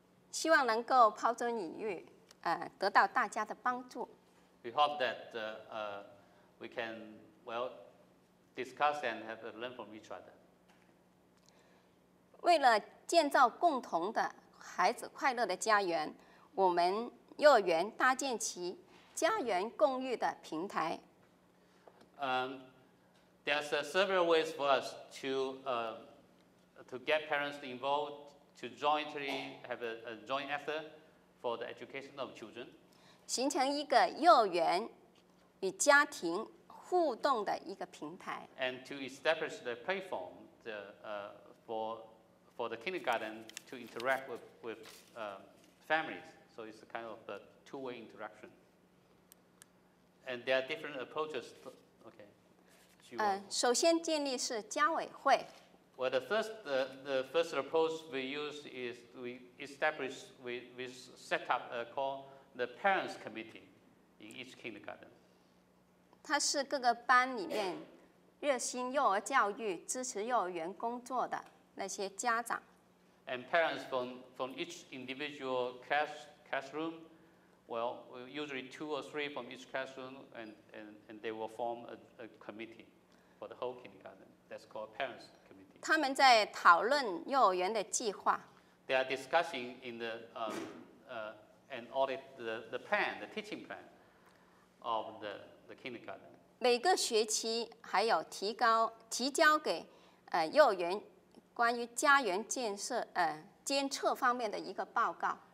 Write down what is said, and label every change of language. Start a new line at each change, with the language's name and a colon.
Chinese: 希望能够抛砖引玉，得到大家的帮助。
English: We hope that we can well discuss and have a learn from each other.
Chinese: 为了建造共同的孩子快乐的家园。我们幼儿园搭建起家园共育的平台。
English: There's several ways for us to get parents involved to jointly have a joint effort for the education of children.
Chinese: 形成一个幼儿园与家庭互动的一个平台。
English: And to establish the platform for the kindergarten to interact with families. So it's a kind of a two-way interaction. And there are different approaches. Okay.
Chinese: 首先建立是家委会。
English: Well, the first approach we use is we set up a call the parents committee in each kindergarten.
Chinese: 它是各个班里面热心幼儿教育、支持幼儿园工作的那些家长。
English: And parents from each individual classroom, well, usually two or three from each classroom, and they will form a committee for the whole kindergarten. That's called parents committee.
Chinese: 他们在讨论幼儿园的计划。
English: They are discussing in the and audit the plan, the teaching plan of the kindergarten.
Chinese: 每个学期还有提交给幼儿园关于家园监测方面的一个报告。